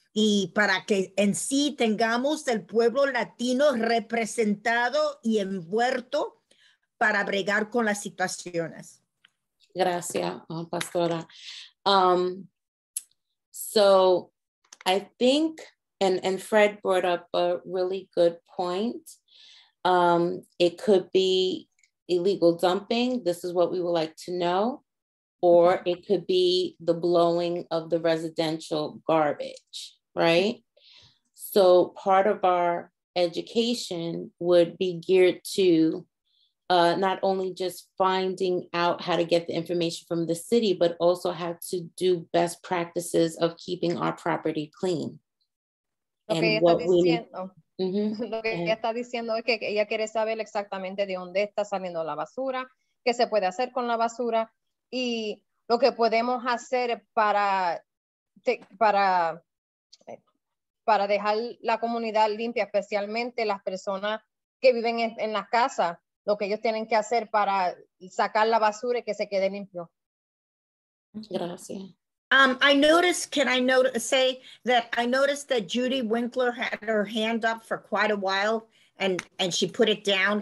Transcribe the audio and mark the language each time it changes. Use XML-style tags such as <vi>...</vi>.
<es>Y para que en sí tengamos el pueblo latino representado y envuelto para bregar con las situaciones. Gracias, Pastora.</es> <en>So I think, and Fred brought up a really good point. It could be illegal dumping. This is what we would like to know. Or it could be the blowing of the residential garbage. Right? So part of our education would be geared to not only just finding out how to get the information from the city, but also how to do best practices of keeping our property clean. And what we need.</en> <es>Lo que ella está diciendo es que ella quiere saber exactamente de dónde está saliendo la basura, qué se puede hacer con la basura, y lo que podemos hacer para dejar la comunidad limpia, especialmente las personas que viven en las casas, lo que ellos tienen que hacer para sacar la basura y que se quede limpio. Gracias.</es> <en>I noticed that Judy Winkler had her hand up for quite a while and she put it down.</en>